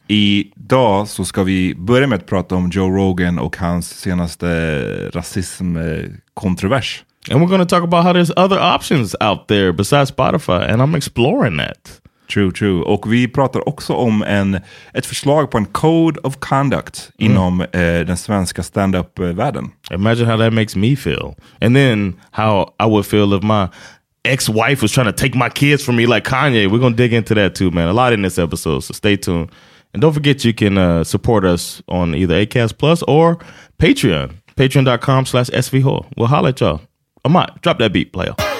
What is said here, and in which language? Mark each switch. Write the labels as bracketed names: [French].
[Swedish] Idag så ska vi börja med att prata om Joe Rogan och hans senaste rasismkontrovers. [English] And we're going to talk about how there's other options out there besides Spotify. And I'm exploring that. True, true. [Swedish] Och vi pratar också om ett förslag på en code of conduct inom den svenska stand-up-världen. [English] Imagine how that makes me feel. And then how I would feel if my ex-wife was trying to take my kids from me like Kanye. We're gonna dig into that too, man. A lot in this episode, so stay tuned. And don't forget you can support us on either Acast Plus or Patreon. Patreon.com/SVHO. We'll holler at y'all. Amat, drop that beat, player.